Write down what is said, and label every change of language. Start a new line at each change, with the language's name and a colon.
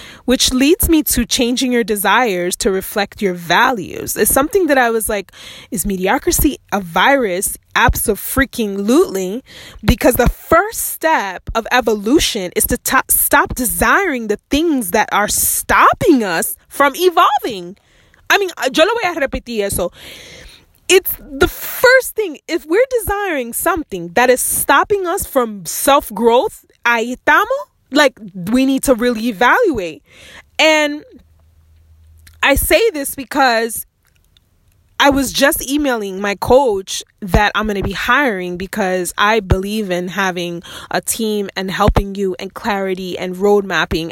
English: Which leads me to changing your desires to reflect your values. It's something that I was like, is mediocrity a virus? Abso-freaking-lutely. Because the first step of evolution is to stop desiring the things that are stopping us from evolving. I mean,
Spanish: yo lo voy a repetir eso.
English: It's the first thing. If we're desiring something that is stopping us from self-growth,
Spanish: ahí estamos,
English: like, we need to really evaluate. And I say this because I was just emailing my coach that I'm going to be hiring, because I believe in having a team and helping you and clarity and road mapping.